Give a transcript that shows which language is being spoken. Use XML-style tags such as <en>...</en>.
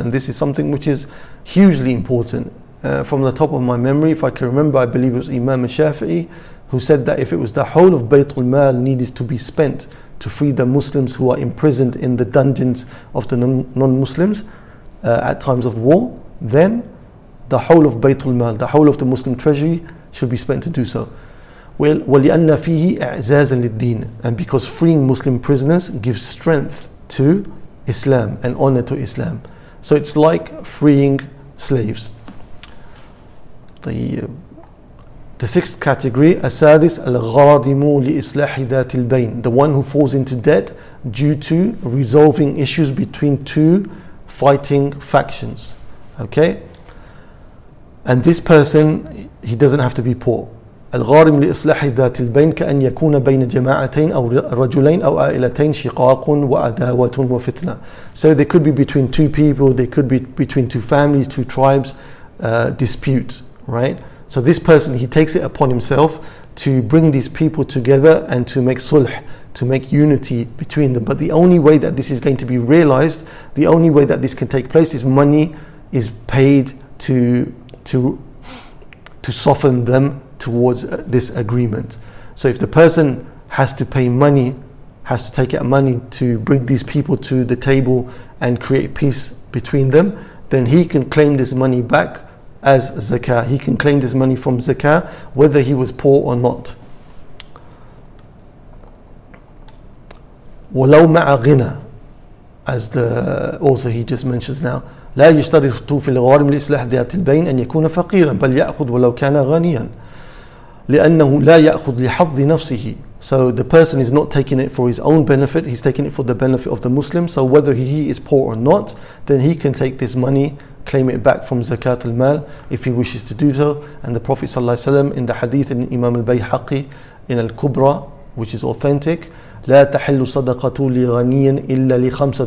<en>And this is something which is hugely important. From the top of my memory, if I can remember, I believe it was Imam al-Shafi'i who said that if it was the whole of Baytul Mal needed to be spent to free the Muslims who are imprisoned in the dungeons of the non-Muslims at times of war, then the whole of Baytul Mal, the whole of the Muslim treasury should be spent to do so.</en> <ar>Well, وَلِأَنَّ فِيهِ إِعْزَازًا لِلدِّينِ.</ar> <en>And because freeing Muslim prisoners gives strength to Islam and honor to Islam. So it's like freeing slaves. The sixth category,</en> <ar>السادس الغارم لإصلاح ذات البين,</ar> <en>the one who falls into debt due to resolving issues between two fighting factions. Okay, and this person, he doesn't have to be poor.</en> <ar>الغارم لإصلاح ذات البين كأن يكون بين جماعتين أو رجلين أو عائلتين شقاق وعداوة وفتنة.</ar> <en>So they could be between two people, they could be between two families, two tribes, disputes. Right, so this person, he takes it upon himself to bring these people together and to make sulh, to make unity between them. But the only way that this is going to be realized, the only way that this can take place, is money is paid to soften them towards this agreement. So if the person has to pay money, has to take out money to bring these people to the table and create peace between them, then he can claim this money back as zakah. He can claim this money from zakah whether he was poor or not.</en> <ar>وَلَوْ مَعَ غِنَى,</ar> <en>as the author he just mentions now,</en> <ar>لَا يَشْتَرِفْتُ فِي الْغَارِمِ لِإِصْلَحَ ذِيَاتِ الْبَيْنِ أَنْ يَكُونَ فَقِيرًا بَلْ يَأْخُذْ وَلَوْ كَانَ غَنِيًا لِأَنَّهُ لَا يَأْخُذْ لِحَظِّ نَفْسِهِ.</ar> <en>So the person is not taking it for his own benefit, he's taking it for the benefit of the Muslim. So whether he is poor or not, then he can take this money claim it back from Zakat al-Mal if he wishes to do so. And the Prophet sallallahu alayhi wa sallam in the hadith in Imam al-Bayhaqi in al-Kubra, which is authentic,</en> <ar>لا تحل صدقة لغني إلا لخمسة.</ar>